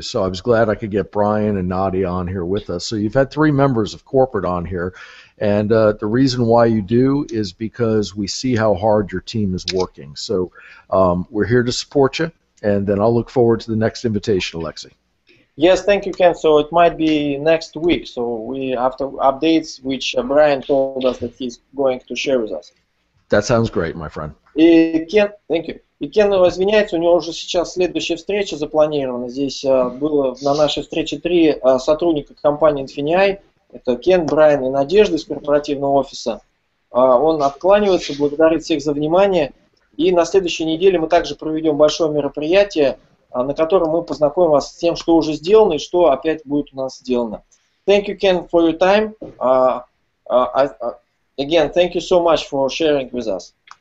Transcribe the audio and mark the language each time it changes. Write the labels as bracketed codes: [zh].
[en] So I was glad I could get Brian and Nadia on here with us. So you've had three members of corporate on here, and the reason why you do is because we see how hard your team is working. So we're here to support you, and then I'll look forward to the next invitation, Alexei. Yes, thank you, Ken. So it might be next week. So we have to updates, which Brian told us that he's going to share with us. That sounds great, my friend. И Кен, thank you. [ru] И Кен извиняется, у него уже сейчас следующая встреча запланирована. Здесь было на нашей встрече три сотрудника компании Infinii. Это Кен, Брайан и Надежда из корпоративного офиса. Он откланивается, благодарит всех за внимание. И на следующей неделе мы также проведем большое мероприятие, на котором мы познакомим вас с тем, что уже сделано и что опять будет у нас сделано. [en] Thank you, Ken, for your time. Again, thank you so much for sharing with us.